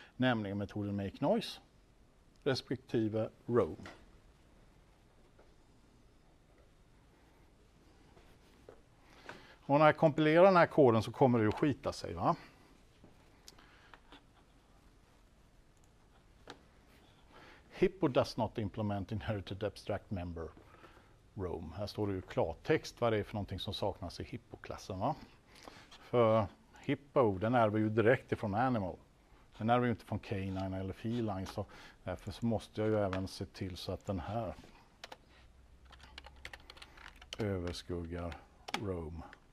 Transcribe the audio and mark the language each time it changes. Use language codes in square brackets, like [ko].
[sv] Nämligen metoden make noise respektive roam. Och när jag kompilerar den här koden så kommer det att skita sig, va? [en] Hippo does not implement inherited abstract member roam. [sv] Här står det ju klartext vad det är för någonting som saknas i Hippo-klassen, va? För Hippo, den ärver ju direkt ifrån animal. Den ärver ju inte från canine eller feline, så därför så måste jag ju även se till så att den här överskuggar roam.